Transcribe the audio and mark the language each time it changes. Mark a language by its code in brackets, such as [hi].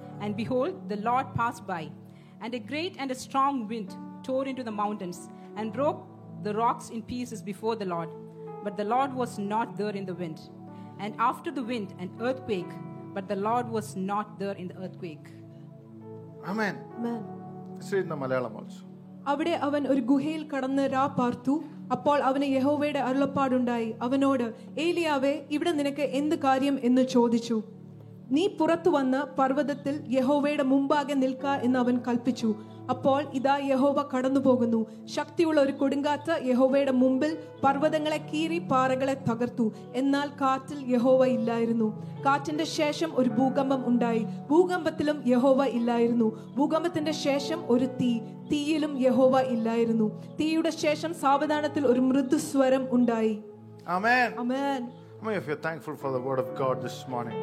[en] And behold, the Lord passed by. And a great and a strong wind tore into the mountains and broke the rocks in pieces before the Lord. But the Lord was not there in the wind. And after the wind, an earthquake. But the Lord was not there in the earthquake. Amen. Amen. Say in the Malayalam also. [ml] അവിടെ അവൻ ഒരു ഗുഹയിൽ കടന്ന് രാ പാർത്തു അപ്പോൾ അവന് യഹോവയുടെ അരുളപ്പാടുണ്ടായി അവനോട് ഏലിയാവേ ഇവിടെ നിനക്ക് എന്ത് കാര്യം എന്ന് ചോദിച്ചു നീ പുറത്തു വന്ന് പർവ്വതത്തിൽ യഹോവയുടെ മുമ്പാകെ നിൽക്ക എന്ന് അവൻ കൽപ്പിച്ചു അപ്പോൾ ഇതാ യഹോവ കടന്നുപോകുന്നു ശക്തിയുള്ള ഒരു കൊടുങ്കാറ്റ് യഹോവയുടെ മുമ്പിൽ പർവ്വതങ്ങളെ കീറി പാറകളെ തകർത്തു എന്നാൽ കാറ്റിൽ യഹോവ ഇല്ലായിരുന്നു കാറ്റിന്റെ ശേഷം ഒരു ഭൂകമ്പം ഉണ്ടായി ഭൂകമ്പത്തിലും യഹോവ ഇല്ലായിരുന്നു ഭൂകമ്പത്തിന്റെ ശേഷം ഒരു തീ തീയിലും യഹോവ ഇല്ലായിരുന്നു തീയുടെ ശേഷം സാവധാനത്തിൽ ഒരു മൃദുസ്വരം ഉണ്ടായി ആമേൻ ആമേൻ [en] How many of you are thankful for the word of God this morning?